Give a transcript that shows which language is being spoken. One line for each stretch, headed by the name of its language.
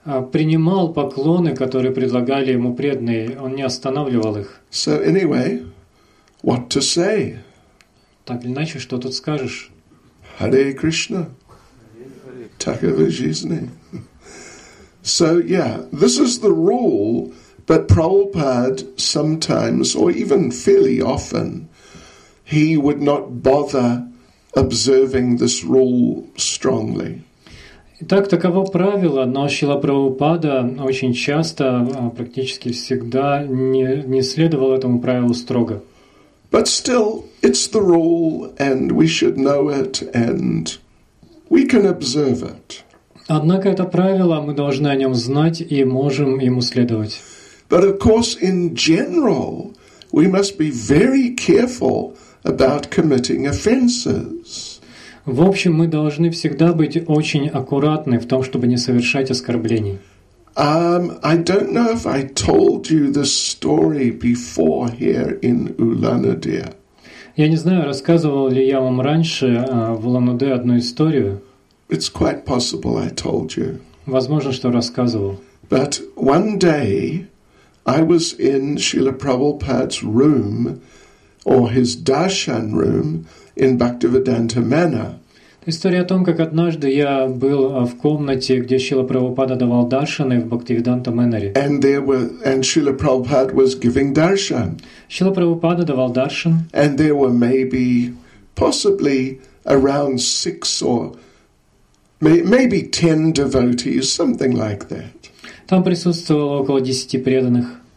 Russian: Принимал поклоны, которые предлагали ему преданные, он не останавливал их.
English: So anyway, what to say?
Russian: Так или иначе, что тут скажешь? Hare Krishna. Такова жизнь.
English: So yeah, this is the rule, but Prabhupada sometimes, or even fairly often, he would not bother observing this rule strongly.
Russian: Итак, таково правило, но Шрила Прабхупада очень часто, практически всегда, не следовал этому правилу строго.
English: But still, it's the rule, and we should know it, and we can observe it.
Russian: Однако это правило, мы должны о нем знать и можем ему следовать.
English: But of course, in general, we must be very careful about committing offenses.
Russian: В общем, мы должны всегда быть очень аккуратны в том, чтобы не совершать оскорблений.
English: I don't know if I told you this story before here in Ulan-Ude.
Russian: Я не знаю, рассказывал ли я вам раньше в Улан-Удэ одну историю.
English: It's quite possible I told you.
Russian: Возможно, что рассказывал.
English: But one day I was in Srila Prabhupada's room, or his darshan room, in Bhaktivedanta Manor.
Russian: История о том, как однажды я был в комнате, где Шрила Прабхупада давал даршаны в Бхактивиданта Мэннере.
English: And Шрила Прабхупада was giving даршан.
Russian: Шрила Прабхупада давал даршан.
English: And there were maybe, possibly around 6 or maybe 10 devotees, something like that.
Russian: Там присутствовало около 10 преданных.